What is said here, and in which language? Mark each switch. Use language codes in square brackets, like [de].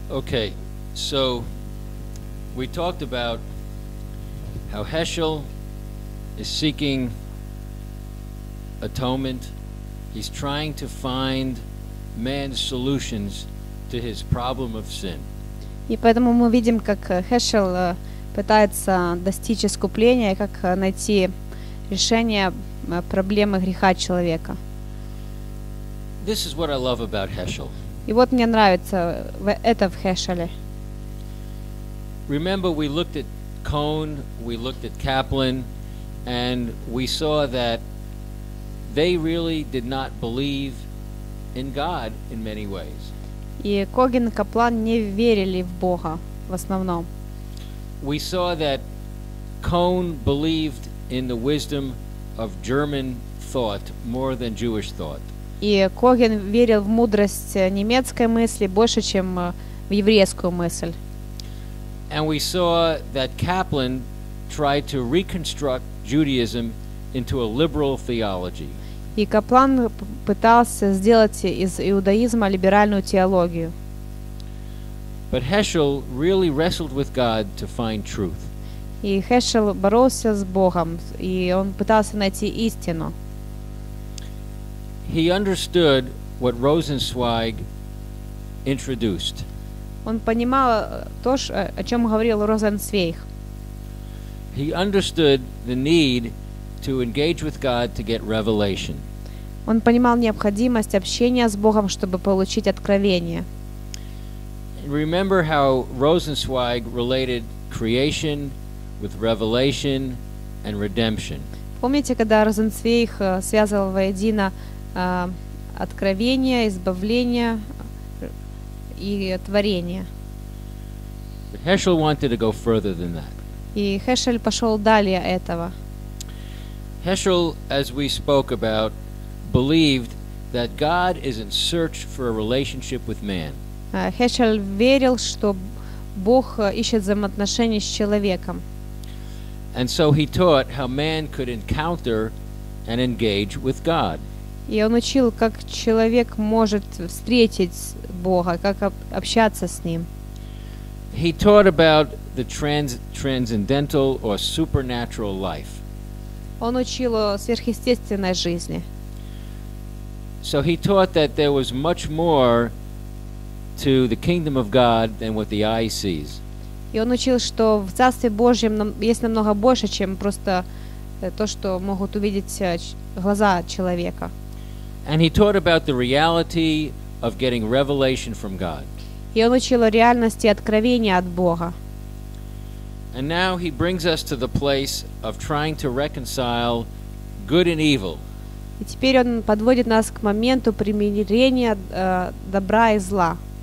[en] Okay, so we talked about how Heschel is seeking atonement. He's trying to find man's solutions to his problem of sin. [ru] И поэтому мы видим, как Хешел пытается достичь искупления, как найти решение проблемы греха человека. [en] This is what I love about Heschel. [ru] И вот мне нравится это в Хешеле. [en] Remember, we looked at Cone, we looked at Kaplan, and we saw that they really did not believe in God in many ways. [ru] И Коген и Каплан не верили в Бога в основном. [en] We saw that Cone believed in the wisdom of German thought more than Jewish thought. [ru] И Коген верил в мудрость немецкой мысли больше, чем в еврейскую мысль. [en] And we saw that Kaplan tried to reconstruct Judaism into a liberal theology. [ru] И Каплан пытался сделать из иудаизма либеральную теологию. [en] But Heschel really wrestled with God to find truth. [ru] И Хешел боролся с Богом, и он пытался найти истину. [en] He understood what Rosenzweig introduced. [ru] Он понимал то, о чем говорил Розенцвейг. [en] He understood the need to engage with God to get revelation. [ru] Он понимал необходимость общения с Богом, чтобы получить откровение. [en] Remember how Rosenzweig related creation with revelation and redemption. [ru] Помните, когда Розенцвейг связывал воедино откровение, избавление и творение. [en] But Heschel wanted to go further than that. [ru] И Хешел пошел далее этого. [en] Heschel, as we spoke about, believed that God is in search for a relationship with man. [ru] Хешел верил, что Бог ищет взаимоотношения с человеком. [en] And so he taught how man could encounter and engage with God. [ru] И он учил, как человек может встретить Бога, как общаться с ним. [en] He taught about the transcendental or supernatural life. [ru] Он учил о сверхъестественной жизни. [en] So he taught that there was much more to the kingdom of God than what the eye sees. [ru] И он учил, что в Царстве Божьем есть намного больше, чем просто то, что могут увидеть глаза человека. [en] And he taught about the reality of getting revelation from God. [ru] И он учил о реальности откровения от Бога. [en] And now he brings us to the place of trying to reconcile good and evil. [ru] И теперь он подводит нас к моменту примирения добра и зла.